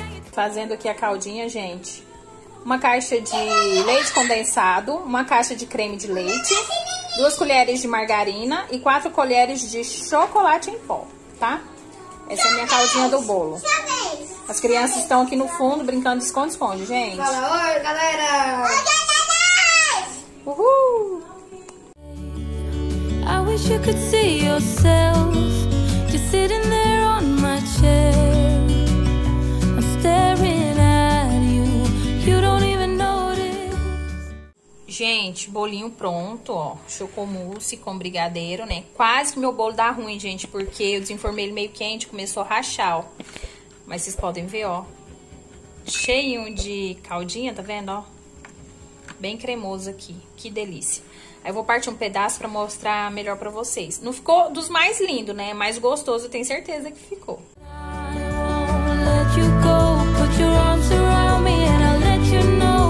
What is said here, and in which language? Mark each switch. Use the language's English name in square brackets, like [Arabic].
[Portuguese] Fazendo aqui a caldinha, gente. Uma caixa de leite condensado, uma caixa de creme de leite, duas colheres de margarina e quatro colheres de chocolate em pó, tá? Essa é a minha caldinha do bolo. As crianças estão aqui no fundo brincando de esconde-esconde, gente. Fala, oi, galera! [English] Uhul. I wish you could see yourself just sitting there on my chair. I'm staring at you. You don't even notice. [Portuguese] Gente, bolinho pronto, ó. Chocomousse com brigadeiro, né? Quase que meu bolo dá ruim, gente, porque eu desenformei ele meio quente, começou a rachar, ó. Mas vocês podem ver, ó. Cheio de caldinha, tá vendo, ó? Bem cremoso aqui. Que delícia. Aí eu vou partir um pedaço pra mostrar melhor pra vocês. Não ficou dos mais lindos, né? Mais gostoso, eu tenho certeza que ficou. [English] I won't let you go. Put your arms around me and I'll let you know.